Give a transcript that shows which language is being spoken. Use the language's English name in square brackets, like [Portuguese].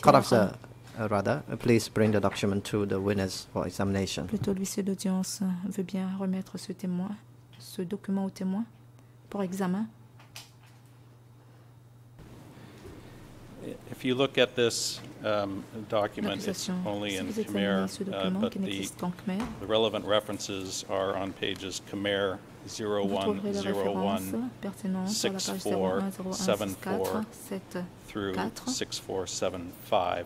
[English] Court officer, rather, please bring the document to the witness for examination. [French] Plutôt, l'huissier d'audience veut bien remettre ce témoin, ce document au témoin, pour examen. [English] If you look at this document, it's only [French] si [English] in Khmer, but Khmer, the relevant references are on pages Khmer 01-01-6474 through 6475.